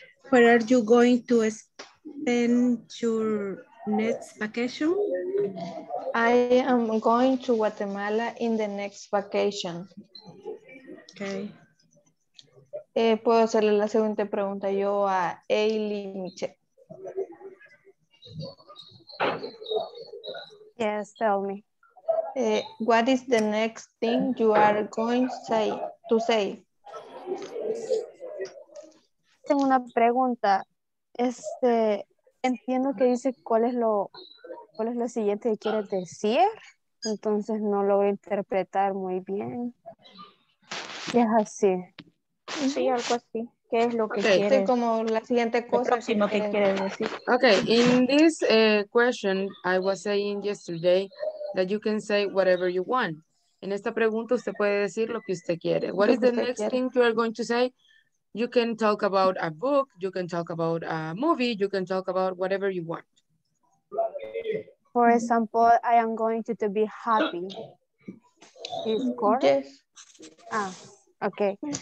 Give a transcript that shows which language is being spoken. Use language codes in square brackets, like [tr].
[en] Where are you going to spend your next vacation? I am going to Guatemala in the next vacation. Okay. [es] Puedo hacerle la siguiente pregunta yo a Aileen Michelle. [en] Yes, tell me. What is the next thing you are going to say? [es] Tengo una pregunta. Entiendo que dice cuál es lo siguiente que quieres decir. Entonces no lo voy a interpretar muy bien. Y es así. Sí, algo así. ¿Qué es lo que quieres? Sí, como la siguiente cosa. Próximo que quieres decir. [en] Okay, in this question I was saying yesterday that you can say whatever you want. [es] En esta pregunta usted puede decir lo que usted quiere. [en] What is the next thing you are going to say? You can talk about a book. You can talk about a movie. You can talk about whatever you want. For example, I am going to be happy. Is correct? Yes. Ah, okay.